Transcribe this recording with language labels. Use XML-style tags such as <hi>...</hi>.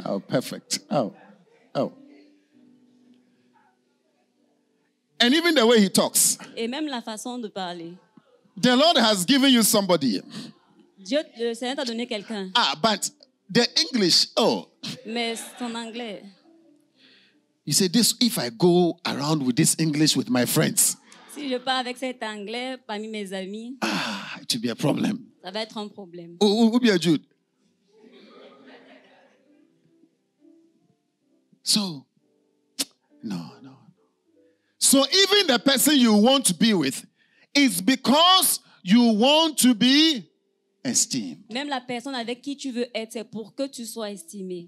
<en>oh, perfect, oh, oh, and even the way he talks,</en> <fr>et même la façon de parler,</fr> <en>the Lord has given you somebody,</en> <fr>Dieu, le Seigneur t'a donné quelqu'un,</fr> <en>ah, but the English, oh,</en> <fr>mais son anglais.</fr> <en>He said, "This if I go around with this English with my friends."</en> <fr>Si je pars avec cet anglais parmi mes amis,</fr> <en>ah, it will be a problem.</en> <fr>Ça va être un problème. Ou bien Jude.</fr> <en>So, no. So even the person you want to be with is because you want to be esteemed.</en> <fr>Même la personne avec qui tu veux être, c'est pour que tu sois estimé.</fr>